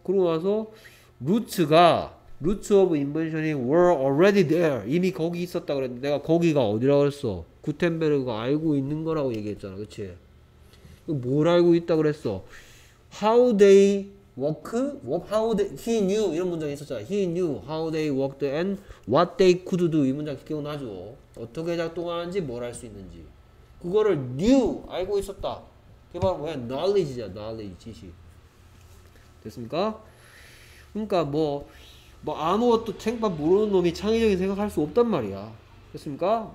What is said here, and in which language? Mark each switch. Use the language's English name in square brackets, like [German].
[Korean] 그러고 나서 [English] Roots of invention were already there. [Korean] 이미 거기 있었다 그랬는데 내가 거기가 어디라고 그랬어? 구텐베르그가 알고 있는 거라고 얘기했잖아. 그치? 뭘 알고 있다 그랬어? [English] How they work? [Korean] He knew 이런 문장이 있었잖아. [English] He knew how they worked and what they could do. [Korean] 이 문장 기억나죠? 어떻게 작동하는지 뭘 할 수 있는지. 그거를 knew 알고 있었다. 그게 바로 뭐야? Knowledge잖아. Knowledge 지식. 됐습니까? 그러니까 뭐 아무것도 챙밥 모르는 놈이 창의적인 생각할 수 없단 말이야. 됐습니까?